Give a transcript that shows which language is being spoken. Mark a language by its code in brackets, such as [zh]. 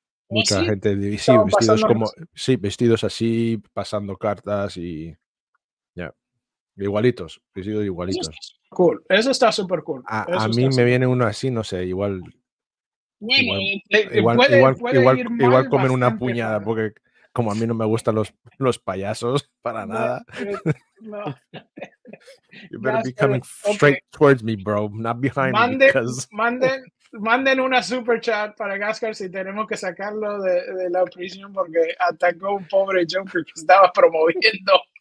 [es] Mucha gente sí, vestidos como así. Sí, vestidos así, pasando cartas y ya. Yeah. Igualitos, vestidos igualitos. Eso está súper cool. A mí me viene uno así, no sé, igual. Igual comen una puñada mejor. Porque como a mí no me gustan los payasos para nada. [en] No. You better be coming straight towards me, bro. Not behind me. [es] Manden una super chat para Gascar si tenemos que sacarlo de la prisión porque atacó un pobre Joker que estaba promoviendo.